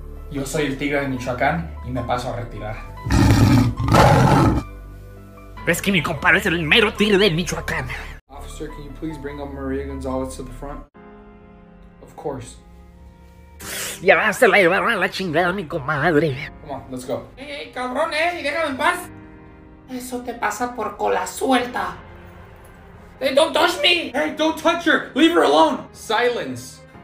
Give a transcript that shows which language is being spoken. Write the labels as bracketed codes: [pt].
[es] Yo soy el tigre de Michoacán y me paso a retirar. Es que mi compadre es el mero tigre de Michoacán. [en] Officer, can you please bring up Maria Gonzalez to the front? Of course. [es] Ya se la llevaron a la chingada, mi comadre. [en] Come on, let's go. [es] Hey, cabrón, déjame en paz. Eso te pasa por cola suelta. [en] Hey, don't touch me. Hey, don't touch her. Leave her alone. Silence.